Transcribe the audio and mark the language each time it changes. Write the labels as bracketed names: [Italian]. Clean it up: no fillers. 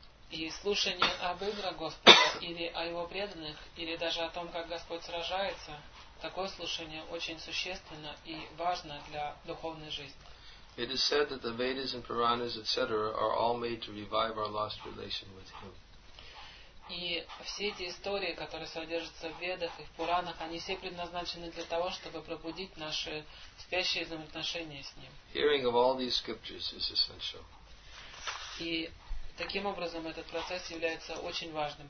[Russian] И слушание об играх Господа или о Его преданных, или даже о том, как Господь сражается, такое слушание очень существенно и важно для духовной жизни. [English] It is said that the Vedas and Puranas, etc., are all made to revive our lost relation with Him. [Russian] И все эти истории, которые содержатся в Ведах и в Пуранах, они все предназначены для того, чтобы пробудить наши спящие взаимоотношения с Ним. [English] Hearing of all these scriptures is essential. [Russian] И таким образом, этот процесс является очень важным.